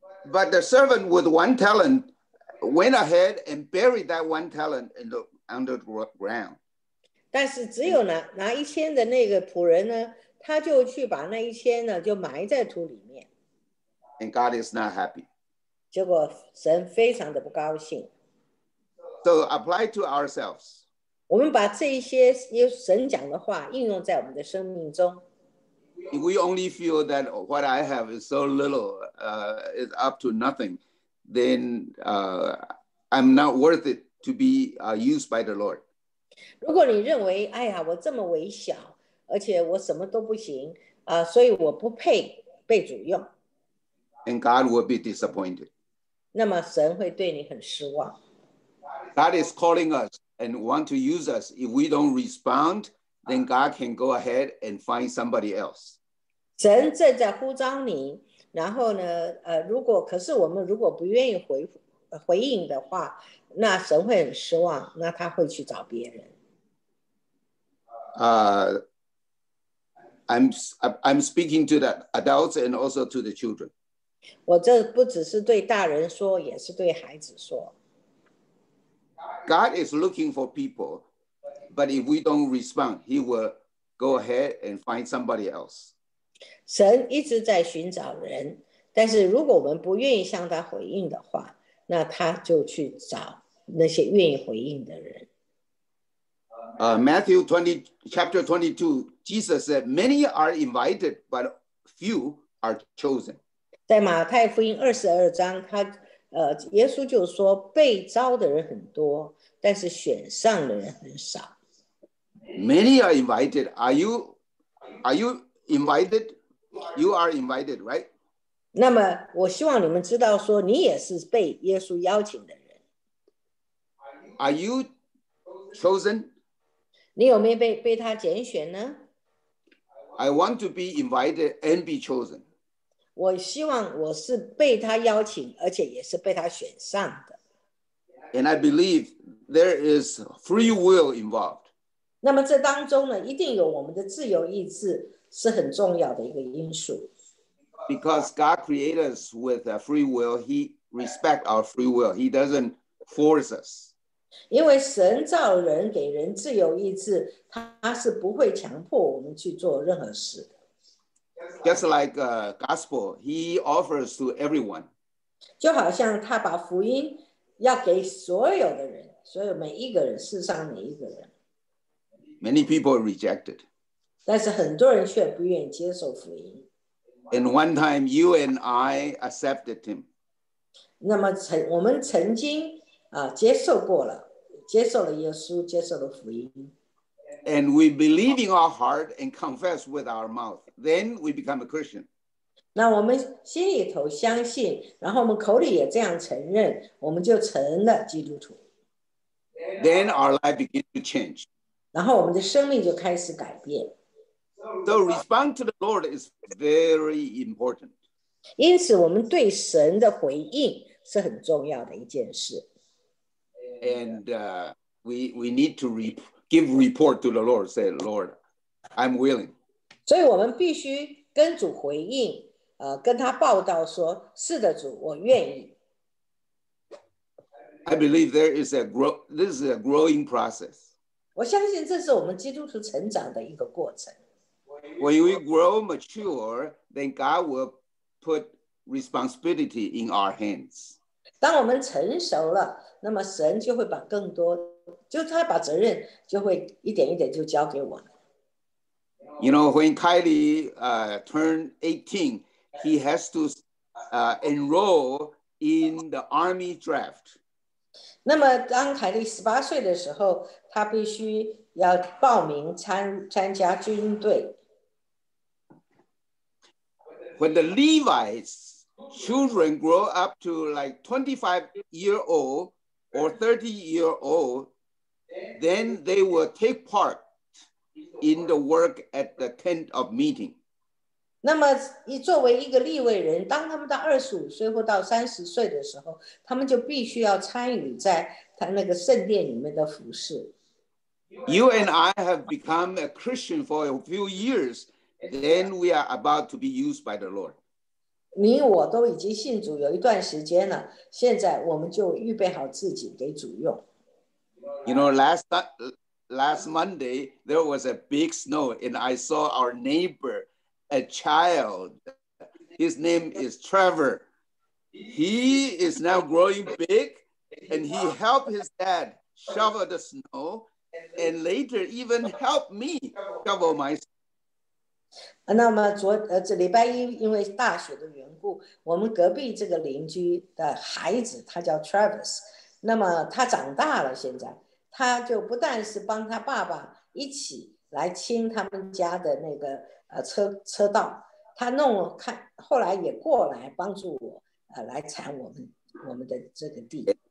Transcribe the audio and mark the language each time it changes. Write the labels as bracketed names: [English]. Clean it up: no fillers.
[English] But the servant with one talent went ahead and buried that one talent in the underground. [Chinese] 但是只有拿一千的那个仆人呢，他就去把那一千呢就埋在土里面。 [English] And God is not happy. [Chinese] 结果神非常的不高兴。 [English] So apply to ourselves. [Chinese] 我们把这些神讲的话应用在我们的生命中。 [English] If we only feel that what I have is so little, is up to nothing, then I'm not worth it to be used by the Lord. [Chinese] 如果你认为，哎呀，我这么微小，而且我什么都不行，所以我不配被主用。 [English] And God will be disappointed. [Chinese] 那么神会对你很失望。 [English] God is calling us and want to use us. If we don't respond, then God can go ahead and find somebody else. [Chinese] 神正在呼召你，然后呢，如果可是我们如果不愿意回应的话，那神会很失望，那他会去找别人。 [English] I'm speaking to the adults and also to the children. [Chinese] 我这不只是对大人说，也是对孩子说。 [English] God is looking for people. But if we don't respond, he will go ahead and find somebody else. [Chinese] 神一直在寻找人，但是如果我们不愿意向他回应的话，那他就去找那些愿意回应的人。 [English] Matthew 20, chapter 22, Jesus said, many are invited, but few are chosen. [Chinese] 在马太福音22章，耶稣就说，被召的人很多，但是选上的人很少。 [English] Many are invited. Are you invited? You are invited, right? [Chinese] 那么我希望你们知道说你也是被耶稣邀请的人。 [English] Are you chosen? [Chinese] 你有没有 被他拣选呢？ [English] I want to be invited and be chosen. [Chinese] 我希望我是被他邀请而且也是被他选上的。 [English] And I believe there is free will involved. [Chinese] 那么这当中呢一定有我们的自由意志是很重要的一个因素。 [English] Because God created us with a free will, he respects our free will. He doesn't force us. [Chinese] 因为神造人给人自由意志他是不会强迫我们去做任何事的。 [English] Just like the gospel, he offers to everyone. [Chinese] 就好像他把福音要给所有的人所有每一个人世上每一个人。 [English] Many people rejected. [Chinese] 但是很多人却不愿意接受福音。 [English] And one time you and I accepted him. [Chinese] 那么我们曾经接受过了接受了耶稣接受了福音。 [English] And we believe in our heart and confess with our mouth. Then we become a Christian. [Chinese] 那我们心里头相信然后我们口里也这样承认我们就成了基督徒。 [English] Then our life begins to change. [Chinese] 然后我们的生命就开始改变。 [English] So respond to the Lord is very important. [Chinese] 因此我们对神的回应是很重要的一件事。 [English] And we need to give report to the Lord, say, Lord, I'm willing. [Chinese] 所以我们必须跟主回应跟他报道说是的主我愿意。 [English] I believe there is a this is a growing process. [Chinese] 我相信这是我们基督徒成长的一个过程。 [English] When we grow mature, then God will put responsibility in our hands. [Chinese] 当我们成熟了，那么神就会把更多，就他把责任就会一点一点就交给我们。 [English] You know, when Kylie turned 18, he has to enroll in the army draft. [Chinese] 那么当凯莉十八岁的时候，他必须要报名参加军队。 [English] When the Levites' children grow up to like 25-year-old or 30-year-old, then they will take part in the work at the tent of meeting. [Chinese] 那么作为一个利未人，当他们到25岁或到30岁的时候，他们就必须要参与在他那个圣殿里面的服事。 [English] You and I have become a Christian for a few years. Then we are about to be used by the Lord. [Chinese] 你我都已经信主有一段时间了，现在我们就预备好自己给主用。 [English] You know, last Monday there was a big snow, and I saw our neighbor, a child. His name is Trevor. He is now growing big, and he helped his dad shovel the snow, and later even helped me shovel my snow. [Chinese] 那么这礼拜一因为大雪的缘故我们隔壁这个邻居的孩子他叫 Travis 那么他长大了现在他就不但是帮他爸爸一起来清他们家的那个车道他弄看后来也过来帮助我来铲我们的这个地